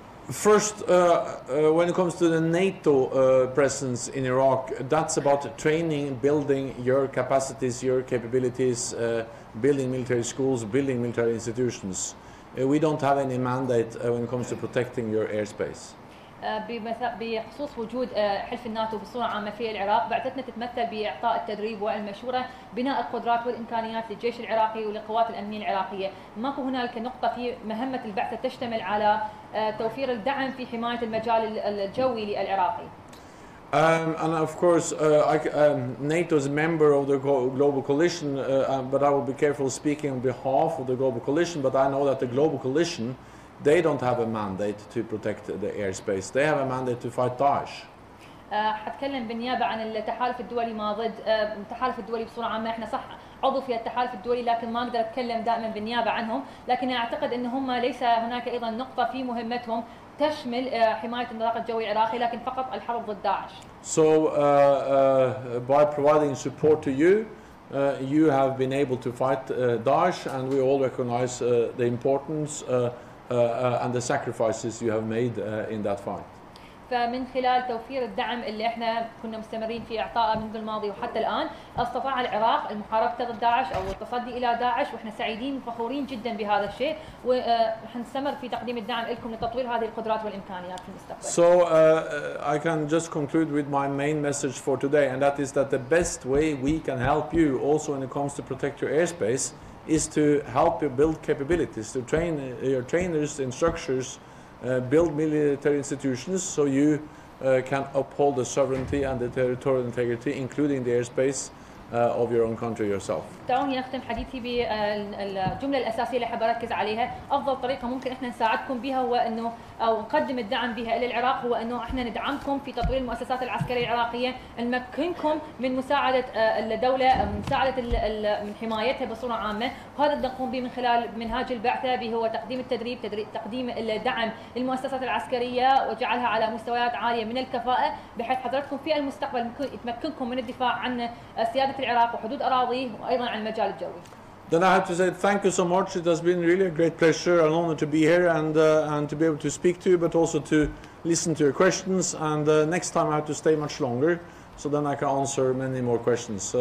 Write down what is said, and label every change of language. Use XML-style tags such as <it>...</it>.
<en>First, when it comes to the NATO presence in Iraq, that's about training, building your capacities, your capabilities, building military schools, building military institutions. We don't have any mandate when it comes to protecting your airspace.</en> <ar>بخصوص وجود حلف الناتو بصورة عامة في العراق بعثتنا تتمثل بإعطاء التدريب والمشورة بناء القدرات والإمكانيات للجيش العراقي ولقوات الأمنية العراقية. ماكو هنالك نقطة في مهمة البعثة تشتمل على توفير الدعم في حماية المجال الجوي للعراقي.</ar> <en>And of course, NATO is a member of the global coalition, but I will be careful speaking on behalf of the global coalition, but I know that the global coalition they don't have a mandate to protect the airspace. They have a mandate to fight Daesh.</en> <ar>حتكلم بالنيابة عن التحالف الدولي ما ضد التحالف الدولي بصورة عامة. إحنا صح عضو في التحالف الدولي لكن ما أقدر أتكلم دائما بالنيابة عنهم. لكن أعتقد إن هم ليس هناك أيضا نقطة في مهمتهم تشمل حماية النطاق الجوي العراقي لكن فقط الحرب ضد داعش.</ar> <en>So by providing support to you. You have been able to fight Daesh, and we all recognize the importance and the sacrifices you have made in that fight.</en> <ar>فمن خلال توفير الدعم اللي احنا كنا مستمرين في اعطائه منذ الماضي وحتى الان استطاع العراق المحاربه ضد داعش او التصدي الى داعش واحنا سعيدين وفخورين جدا بهذا الشيء وحنستمر في تقديم الدعم لكم لتطوير هذه القدرات والامكانيات في المستقبل.</ar> <en>So I can just conclude with my main message for today and that is that the best way we can help you also when it comes to protect your airspace is to help you build capabilities, to train your trainers, instructors, build military institutions so you can uphold the sovereignty and the territorial integrity, including the airspace of your own country yourself.</en> <ar>تعاوني أختم حديثي بالجملة الأساسية اللي حاب أركز عليها. أفضل طريقة ممكن إحنا نساعدكم بها هو إنه أو نقدم الدعم بها إلى العراق هو إنه إحنا ندعمكم في تطوير المؤسسات العسكرية العراقية، نمكنكم من مساعدة الدولة، مساعدة من حمايتها بصورة عامة. وهذا نقوم به من خلال منهاج البعثة بهو تقديم التدريب، تقديم الدعم للمؤسسات العسكرية وجعلها على مستويات عالية من الكفاءة بحيث حضرتكم في المستقبل يتمكنكم من الدفاع عن سيادة العراق وحدود أراضيه وأيضا عن المجال الجوي.</ar> <en>Then I have to say thank you so much. It has been really a great pleasure and honor to be here and to be able to speak to you, but also to listen to your questions. And next time I have to stay much longer, so then I can answer many more questions.</en>